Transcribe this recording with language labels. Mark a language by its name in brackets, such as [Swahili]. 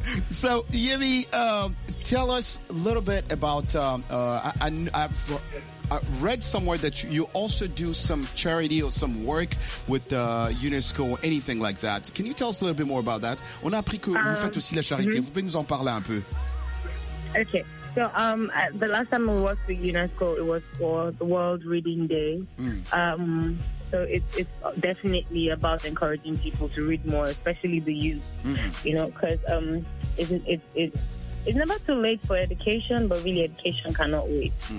[English] So, Yemi, tell us a little bit about, I read somewhere that you also do some charity or some work with UNESCO or anything like that. Can you tell us a little bit more about that? [French] On a appris que vous faites aussi la charité. Mm-hmm. Vous pouvez nous en parler un peu? [English] Okay, so the last time I worked with UNESCO, it was for the World Reading Day. Mm. So it's definitely about encouraging people to read more, especially the youth. Mm. You know, because it's never too late for education, but really education cannot wait. Mm.